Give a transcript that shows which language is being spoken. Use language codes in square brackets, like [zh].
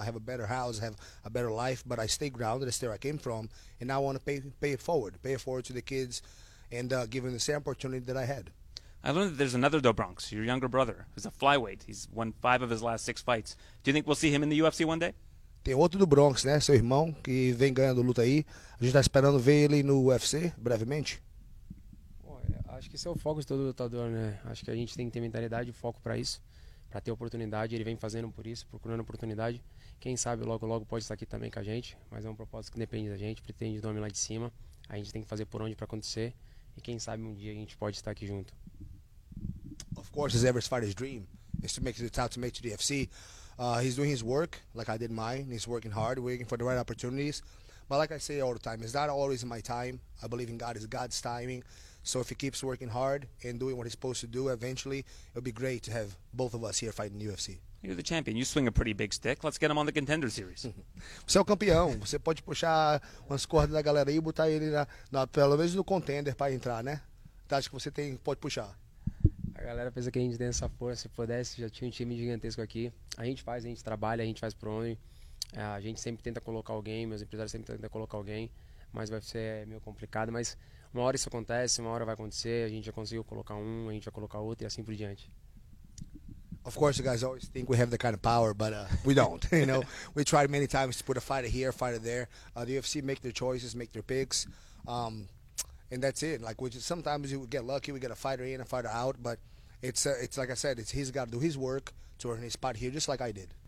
[en] I have a better house, I have a better life, but I stay grounded, it's where I came from, and now I want to pay it forward to the kids, and give them the same opportunity that I had. I learned that there's another Do Bronx, your younger brother, who's a flyweight. He's won 5 of his last 6 fights. Do you think we'll see him in the UFC one day? [pt] Tem outro do Bronx, né, seu irmão, que vem ganhando luta aí. A gente tá esperando ver ele no UFC, brevemente. Acho que esse é o foco de todo lutador, né? Acho que a gente tem que ter mentalidade e foco pra isso, pra ter oportunidade. Ele vem fazendo por isso, procurando oportunidade. Quem sabe logo pode estar aqui também com a gente, mas é um propósito que depende da gente, pretende o nome lá de cima. A gente tem que fazer por onde pra acontecer. E quem sabe um dia a gente pode estar aqui junto. [en] Of course, it's every fighter's dream. It's to make the title, to make it to the UFC. He's doing his work, like I did mine. He's working hard, waiting for the right opportunities. But like I say all the time, it's not always my time. I believe in God, it's God's timing. So if he keeps working hard and doing what he's supposed to do, eventually it'll be great to have both of us here fighting the UFC. You're the champion. You swing a pretty big stick. Let's get him on the Contender Series. [pt] Você é o campeão. Você pode puxar umas cordas da galera aí e botar ele na pelo menos no Contender para entrar, né? Acho que você pode puxar. A galera pensa que a gente tem essa força, se pudesse, já tinha um time gigantesco aqui. A gente faz, a gente trabalha, a gente faz por onde. A gente sempre tenta colocar alguém, meus empresários sempre tentam colocar alguém, mas vai ser meio complicado. Mas uma hora isso acontece, uma hora vai acontecer, a gente já conseguiu colocar um, a gente vai colocar outro e assim por diante. [en] Of course, you guys always think we have the kind of power, but we don't. You know, we tried many times to put a fighter here, a fighter there. The UFC make their choices, make their picks. And that's it. Like, sometimes we get lucky, we get a fighter in, a fighter out, but it's like I said, he's got to do his work to earn his spot here, just like I did.